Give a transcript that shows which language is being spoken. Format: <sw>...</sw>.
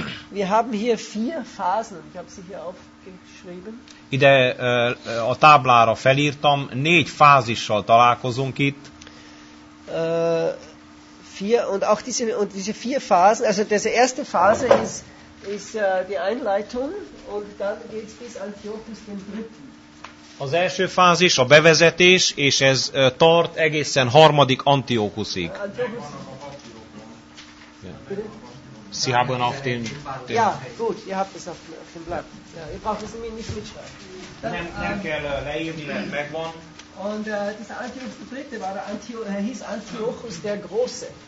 <de>Wir haben hier vier Phasen, ich habe sie hier aufgeschrieben.</de> <hu>Ide a táblára felírtam, négy fázissal találkozunk itt.</hu> <de>Und diese vier Phasen, also diese erste Phase ist die Einleitung und dann geht es bis Antiochus den Dritten.</de> <hu>Az első fázis a bevezetés, és ez tart egészen harmadik Antiochusig.</hu> <de>Sie haben auf den Ja, gut, ihr habt es auf dem Blatt. Ja, ihr braucht es mir nicht mitschreiben.</de> <hu>Nem kell leírni, mert megvan.</hu> <de>Und dieser Antiochus der Dritte war der Antiochus, er hieß Antiochus der Große.</de>